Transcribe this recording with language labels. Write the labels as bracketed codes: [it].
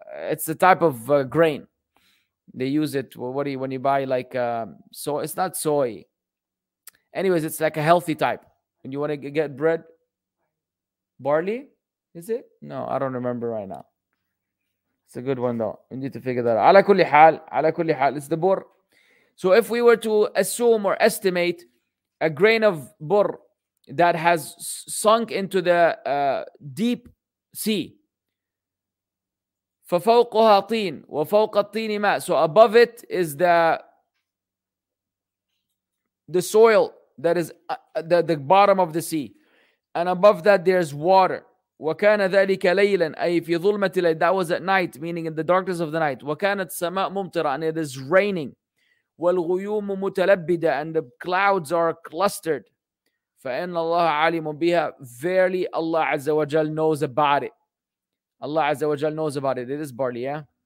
[en] it's a type of grain they use it when you buy like so it's not soy anyways it's like a healthy type and you want to get bread barley is it no I don't remember right now It's a good one though. We need to figure that out. [ar] على كل حال, [en] it's the bur. So if we were to assume or estimate a grain of bur that has sunk into the deep sea. [ar] ففوقها طين وفوق الطين ماء. [en] So above it is the soil that is the bottom of the sea. And above that there's water. [ar] وكان ذلك ليلا أي في ظلمة الليل [en] that was at night meaning in the darkness of the night [ar] وكانت سماء ممطرة [en] and it is raining [ar] والغيوم متلبدة [en] and the clouds are clustered [ar] فإن الله عالم بها [en] verily Allah عز وجل knows about it Allah عز وجل knows about it it is barley yeah